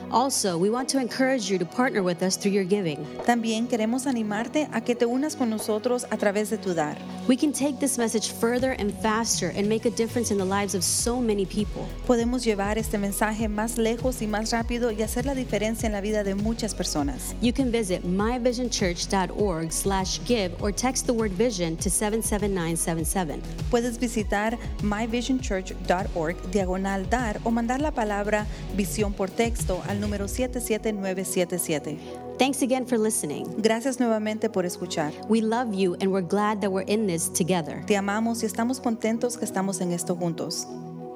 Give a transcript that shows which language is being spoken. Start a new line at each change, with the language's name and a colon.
English: Also, we want to encourage you to partner with us through your giving.
Spanish: También queremos animarte a que te unas con nosotros a través de tu dar.
English: We can take this message further and faster and make a difference in the lives of so many people.
Spanish: Podemos llevar este mensaje más lejos y más rápido y hacer la diferencia en la vida de muchas personas.
English: You can visit myvisionchurch.org/give or text the word vision to 77977.
Spanish: Puedes visitar myvisionchurch.org/dar o mandar la palabra visión por texto al número 77977.
English: Thanks again for listening.
Spanish: Gracias nuevamente por escuchar.
English: We love you and we're glad that we're in this together.
Spanish: Te amamos y estamos contentos que estamos en esto juntos.